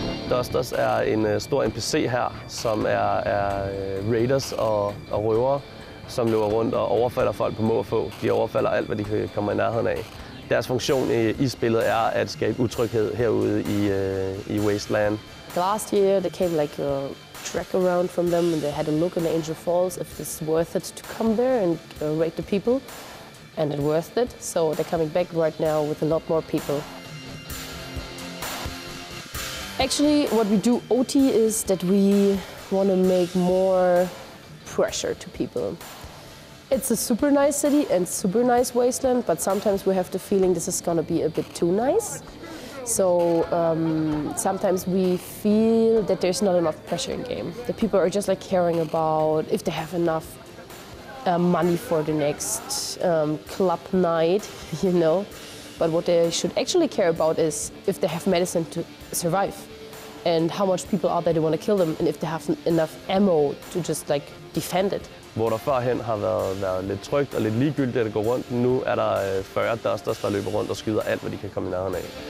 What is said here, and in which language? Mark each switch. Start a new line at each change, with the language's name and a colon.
Danish: Dusters er en stor NPC her, som er raiders og røvere, som løber rundt og overfalder folk på må og få. De overfalder alt, hvad de kommer i nærheden af. Deres funktion i spillet er at skabe utryghed herude i Wasteland.
English: The last year there came like a track around from them and they had a look in Angel Falls if it's worth it to come there and raid the people. And it worth it, so they're coming back right now with a lot more people. Actually, what we do OT is that we want to make more pressure to people. It's a super nice city and super nice wasteland, but sometimes we have the feeling this is going to be a bit too nice. So sometimes we feel that there's not enough pressure in game. The people are just like caring about if they have enough money for the next club night, you know. But what they should actually care about is if they have medicine to survive and how much people are there that want to kill them and if they have enough ammo to just like defend it.
Danish: Hvor der førhen har været lidt trygt og lidt ligegyldigt, at det går rundt. Nu er der 40 dusters, der løber rundt og skyder alt, hvad de kan komme i nærheden af.